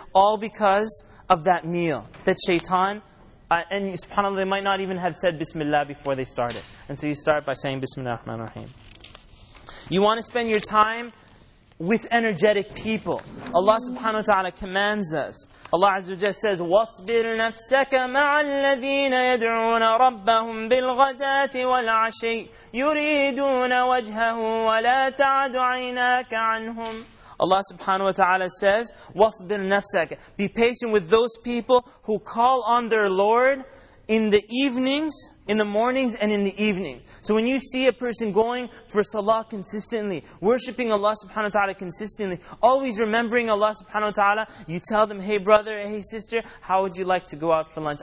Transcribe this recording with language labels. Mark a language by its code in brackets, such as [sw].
[en] All because of that meal that shaitan... And subhanAllah, they might not even have said Bismillah before they started. And so you start by saying Bismillah ar-Rahman ar-Rahim. You want to spend your time with energetic people. Allah subhanahu wa ta'ala commands us. Allah azza wa jalla says, [ar] وَاصْبِرْ نَفْسَكَ مَعَ الَّذِينَ يَدْعُونَ رَبَّهُمْ بِالْغَدَاتِ وَالْعَشِيِّ يُرِيدُونَ وَجْهَهُ وَلَا تَعْدُ عَيْنَاكَ عَنْهُمْ. [en] Allah subhanahu wa ta'ala says, [ar] وَاصْبِرْ نَفْسَكَ. [en] Be patient with those people who call on their Lord in the evenings, in the mornings and in the evenings. So when you see a person going for salah consistently, worshipping Allah subhanahu wa ta'ala consistently, always remembering Allah subhanahu wa ta'ala, you tell them, hey brother, hey sister, how would you like to go out for lunch?